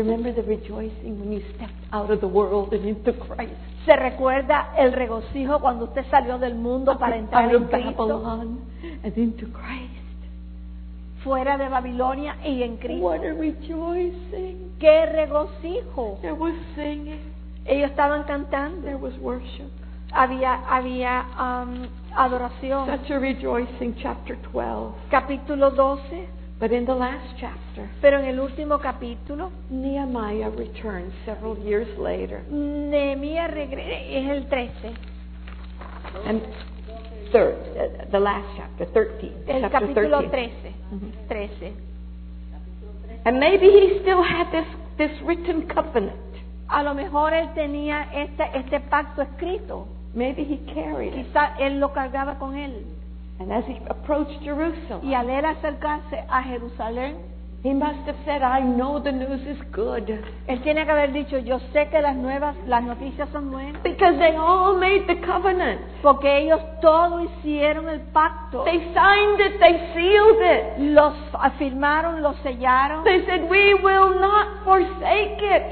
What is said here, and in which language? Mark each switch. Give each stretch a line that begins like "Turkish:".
English: You remember the rejoicing when you stepped out of the world and into Christ.
Spanish: ¿Se recuerda el regocijo cuando usted salió del mundo para entrar en Cristo?
English: Out of Babylon and into Christ.
Spanish: Fuera de Babilonia y en Cristo.
English: What a rejoicing.
Spanish: ¿Qué regocijo?
English: There was singing.
Spanish: Ellos estaban cantando.
English: There was worship.
Spanish: Había adoración.
English: Such a rejoicing, chapter 12.
Spanish: Capítulo 12.
English: But in the last chapter,
Spanish: pero en el último capítulo,
English: Nehemiah returns several years later.
Spanish: Nehemiah regresa es el 13.
English: And the last chapter, 13.
Spanish: Capítulo 13.
English: And maybe he still had this written covenant.
Spanish: A lo mejor él tenía este pacto escrito.
English: Maybe he carried it.
Spanish: Quizá él lo cargaba con él.
English: And as he approached Jerusalem,
Spanish: y al él acercarse a Jerusalén,
English: he must have said, "I know the news is good."
Spanish: Él tiene que haber dicho, "Yo sé que las nuevas, las noticias son buenas."
English: Because they all made the covenant.
Spanish: Porque ellos todo hicieron el pacto.
English: They signed it. They sealed it.
Spanish: Los afirmaron, los sellaron.
English: They said, "We will not forsake it."